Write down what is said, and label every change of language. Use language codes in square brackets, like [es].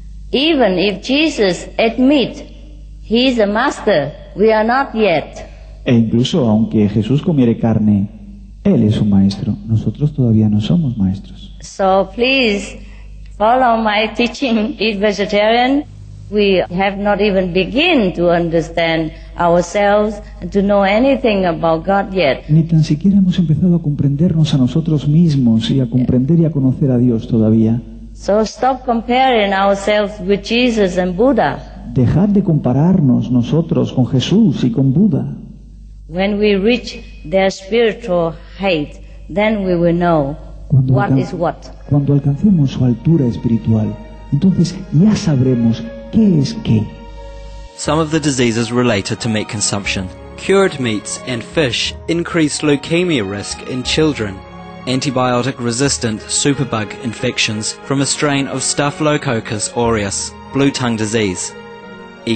[en] Even if Jesus admit he is a master, we are not yet. [es] E incluso aunque Jesús comiere carne, él es un maestro, nosotros todavía no somos maestros. [en] So please follow my teaching, eat vegetarian. We have not even begin to understand ourselves and to know anything about God yet. [es] Ni tan siquiera hemos empezado a comprendernos a nosotros mismos y a comprender y a conocer a Dios todavía. [en] So stop comparing ourselves with Jesus and Buddha. [es] Dejad de compararnos nosotros con Jesús y con Buda. [en] When we reach their spiritual height, then we will know what is what. [es] Cuando alcancemos su altura espiritual, entonces ya sabremos qué es qué. [en] Some of the diseases related to meat consumption. Cured meats and fish increase leukemia risk in children. Antibiotic-resistant superbug infections from a strain of Staphylococcus aureus, blue tongue disease, E.